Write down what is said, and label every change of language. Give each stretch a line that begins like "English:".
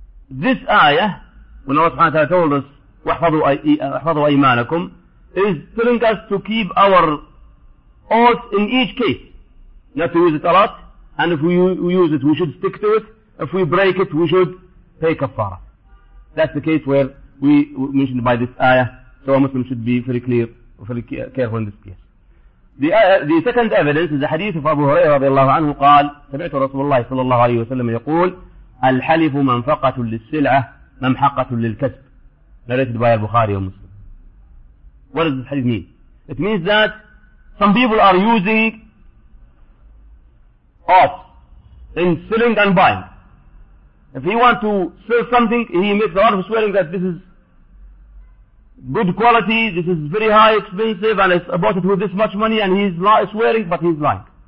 English: This ayah, when Allah subhanahu wa ta'ala told us,
Arabic: وَحْفَظُوا أَيْمَانَكُمْ,
English: is telling us to keep our oath in each case. Not to use it a lot, and if we use it, we should stick to it. If we break it, we should pay kafara. That's the case where we mentioned by this ayah, so a Muslim should be very clear, very careful in this case. The second evidence is the hadith of Abu Hurairah radiallahu anhu,
Arabic: قال, سمعت رسول الله صلى الله عليه وسلم يقول, الحلف منفقة للسلعة ممحقة للكسب.
English: Narrated by Al-Bukhari and Muslim. What does this hadith mean? It means that some people are using oaths in selling and buying. If he wants to sell something, he makes a lot of swearing that this is good quality, this is very high expensive, and it's bought it with this much money, and he's swearing, but he's lying.